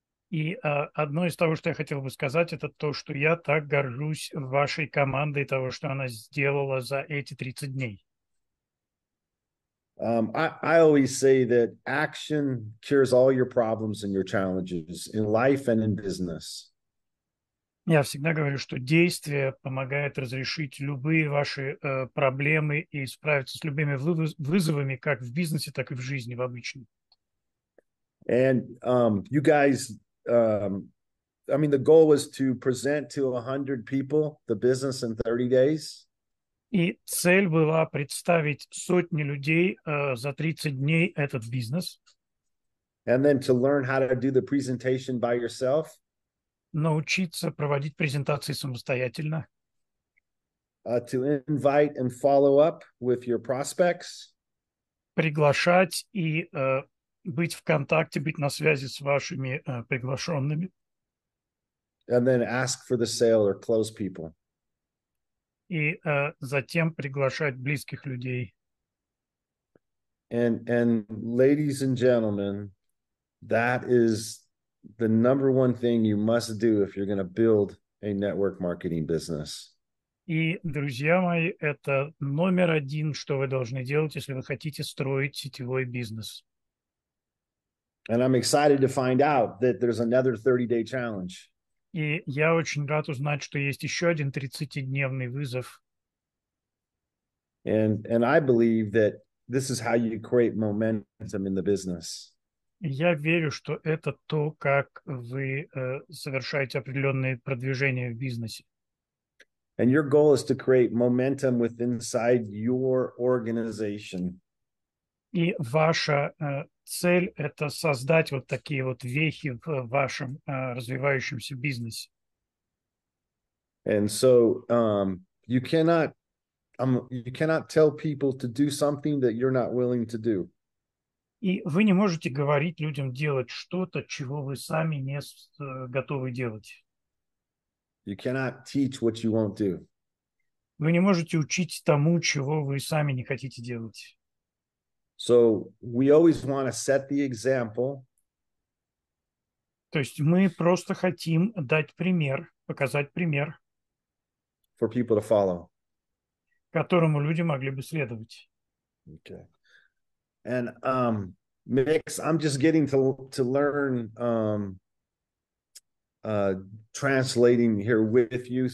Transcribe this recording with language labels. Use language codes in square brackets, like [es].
[ru] И одно из того, что я хотел бы сказать, это то, что я так горжусь вашей командой, того, что она сделала за эти 30 дней. [en] I always say that action cures all your problems and your challenges in life and in business. [ru] Я всегда говорю, что действие помогает разрешить любые ваши проблемы и справиться с любыми вызовами, как в бизнесе, так и в жизни, в обычном. [en] And you guys, I mean, the goal was to present to 100 people the business in 30 days. [ru] И цель была представить сотни людей за 30 дней этот бизнес. [en] And then to learn how to do the presentation by yourself. [ru] Научиться проводить презентации самостоятельно. [en] To invite and follow up with your prospects. [ru] Приглашать и быть в контакте, быть на связи с вашими приглашенными. [en] And then ask for the sale or close people. [ru] И затем приглашать близких людей. [en] And ladies and gentlemen, that is the number one thing you must do if you're going to build a network marketing business. [ru] И, друзья мои, это номер один, что вы должны делать, если вы хотите строить сетевой бизнес. [en] And I'm excited to find out that there's another 30-day challenge. [ru] И я очень рад узнать, что есть еще один 30-дневный вызов. [en] And I believe that this is how you create momentum in the business. [ru] Я верю, что это то, как вы совершаете определенные продвижения в бизнесе. [en] And your goal is to create momentum within inside your organization. [ru] И ваша цель – это создать вот такие вот вехи в вашем развивающемся бизнесе. [en] And so you cannot tell people to do something that you're not willing to do. [ru] И вы не можете говорить людям делать что-то, чего вы сами не готовы делать. [en] You cannot teach what you won't do. [ru] Вы не можете учить тому, чего вы сами не хотите делать. [en] So we always want to set the example. [ru] То есть мы просто хотим дать пример, показать пример, [en] for people to follow, [ru] которому люди могли бы следовать. [en] Okay. And Mix, I'm just getting to learn translating here with you.